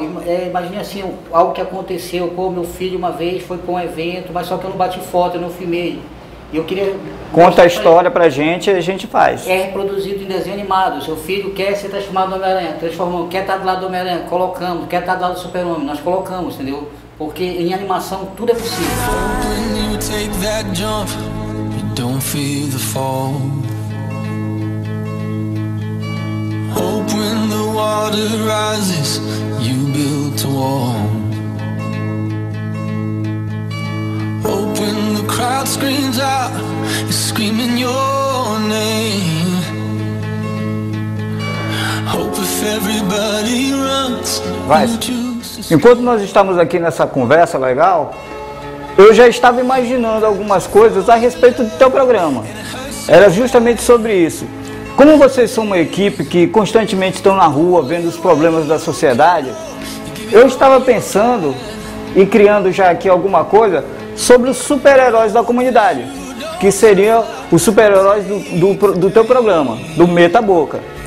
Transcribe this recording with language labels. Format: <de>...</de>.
<pt>Imagina assim, algo que aconteceu, pô, meu filho uma vez foi para um evento, mas só que eu não bati foto, eu não filmei. Eu queria... Conta a história pra gente e a gente faz. É reproduzido em desenho animado. Seu filho quer ser transformado no Homem-Aranha, transformou. Quer estar do lado do Homem-Aranha, colocamos. Quer estar do lado do Super-Homem, nós colocamos, entendeu? Porque em animação tudo é possível.</pt> <en>When you take that jump, you don't feel the fall. Hope when the water rises, you build a wall. Hope when the crowd screams out, you're screaming your name. Hope if everybody runs, you choose.</en> <pt>Enquanto nós estamos aqui nessa conversa legal, eu já estava imaginando algumas coisas a respeito do teu programa. Era justamente sobre isso. Como vocês são uma equipe que constantemente estão na rua vendo os problemas da sociedade, eu estava pensando e criando já aqui alguma coisa sobre os super-heróis da comunidade, que seriam os super-heróis do teu programa, do Meta Boca.</pt>